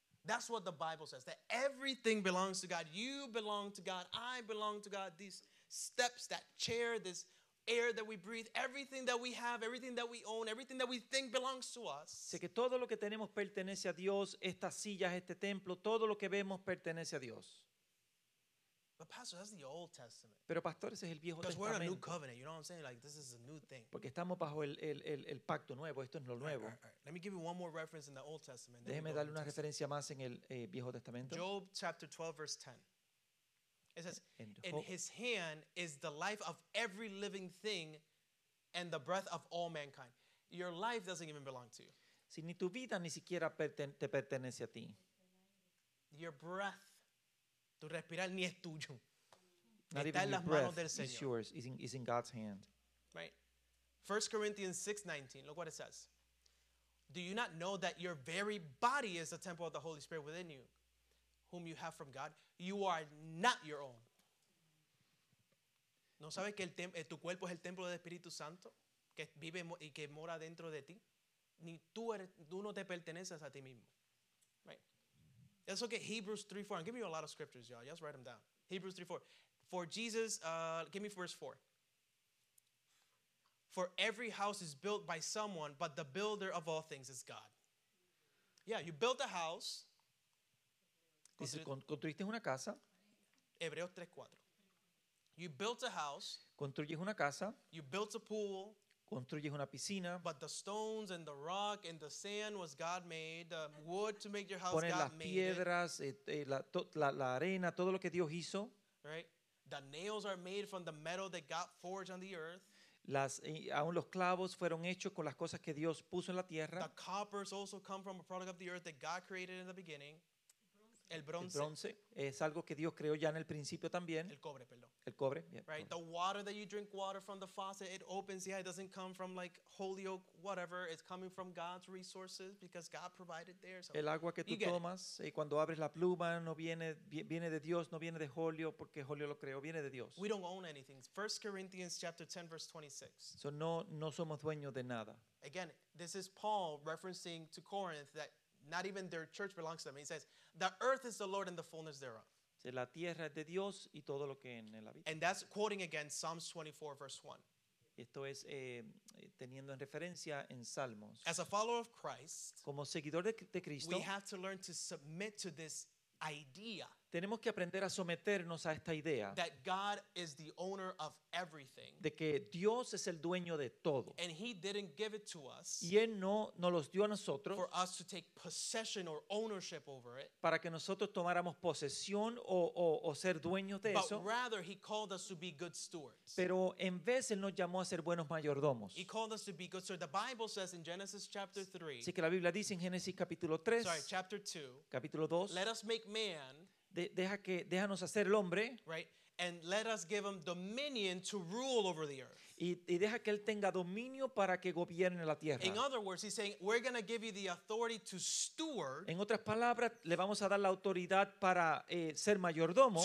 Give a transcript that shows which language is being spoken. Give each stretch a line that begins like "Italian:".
English: That's what the Bible says, that everything belongs to God. You belong to God. I belong to God. These steps, that chair, this air that we breathe, everything that we have, everything that we own, everything that we think belongs to us.
Spanish: Sé que todo lo que tenemos pertenece a Dios, estas sillas, este templo, todo lo que vemos pertenece a Dios.
English: But Pastor, that's the Old Testament.
Spanish: Pero Pastor, ese es el Viejo Testamento.
English: Because we're in a new covenant, you know what I'm saying? Like, this is a new thing.
Spanish: Porque estamos bajo el pacto nuevo, esto es lo nuevo.
English: All right. Let me give you one more reference in the Old Testament.
Spanish: Déjeme darle una referencia más en el Viejo Testamento.
English: Job chapter 12, verse 10. It says, "In his hand is the life of every living thing and the breath of all mankind." Your life doesn't even belong to you.
Spanish: Si ni tu vida ni siquiera te pertenece a ti.
English: Your breath,
Spanish: tu respirar ni es tuyo.
English: Not
Spanish: está
English: even
Spanish: en las
English: your
Spanish: manos
English: breath
Spanish: del Señor.
English: Is yours. It's in God's hand. Right. 1 Corinthians 6:19. Look what it says. "Do you not know that your very body is the temple of the Holy Spirit within you, whom you have from God? You are not your own."
Spanish: ¿No sabes que tu cuerpo es el templo del Espíritu Santo que vive y que mora dentro de ti? Ni tú eres, tú no te perteneces a ti mismo.
English: Right. Let's look at Hebrews 3:4. I'm giving you a lot of scriptures, y'all. Just write them down. Hebrews 3:4. For Jesus, give me verse 4. "For every house is built by someone, but the builder of all things is God." Yeah, you built a house.
Spanish: Dice, construiste una casa.
English: Hebreos 3:4. You built a house.
Spanish: Construyes una casa.
English: You built a pool.
Spanish: Construyes una piscina.
English: But the stones and the rock and the sand was God made. The wood to make your house,
Spanish: pones
English: God
Spanish: las piedras,
English: made it.
Spanish: La arena, todo lo que Dios hizo.
English: Right. The nails are made from the metal that God forged on the earth.
Spanish: Aún los clavos fueron hechos con las cosas que Dios puso en la tierra.
English: The coppers also come from a product of the earth that God created in the beginning.
Spanish: El bronce es algo que Dios creó ya en el principio también. El cobre,
English: yeah. Right, the water that you drink water from the faucet, it opens, yeah, it doesn't come from like Holyoke, whatever, it's coming from God's resources because God provided there. So
Spanish: el agua que tú tomas y cuando abres la pluma no viene de Dios, no viene de Holyoke porque Holyoke lo creó, viene de Dios.
English: We don't own anything. 1 Corinthians chapter 10 verse 26.
Spanish: So no somos dueños de nada.
English: Again, this is Paul referencing to Corinth that not even their church belongs to them. He says, "The earth is the Lord and the fullness thereof."
Spanish: La tierra es de Dios y todo lo que en él habita.
English: And that's quoting again Psalms 24, verse 1.
Spanish: Esto es teniendo en referencia en Salmos.
English: As a follower of Christ,
Spanish: como seguidor de Cristo,
English: we have to learn to submit to this idea.
Spanish: Tenemos que aprender a someternos a esta idea
English: that God is the owner of everything,
Spanish: de que Dios es el dueño de todo,
English: and he didn't give it to us,
Spanish: y Él no nos los dio a nosotros,
English: for us to take possession or ownership over it,
Spanish: para que nosotros tomáramos posesión o ser dueños de
English: but
Spanish: eso.
English: Rather, he called us to be good stewards.
Spanish: Pero en vez Él nos llamó a ser buenos mayordomos.
English: He called us to be good stewards. The Bible says in Genesis chapter 3,
Spanish: así que la Biblia dice en Génesis capítulo 3,
English: sorry, chapter 2,
Spanish: capítulo 2,
English: let us make man,
Spanish: deja que déjanos hacer el hombre,
English: right, and let us give him dominion to rule over the earth,
Spanish: y deja que él tenga dominio para que gobierne la tierra.
English: In other words, he's saying we're going to give you the authority to steward,
Spanish: en otras palabras le vamos a dar la autoridad para ser mayordomo,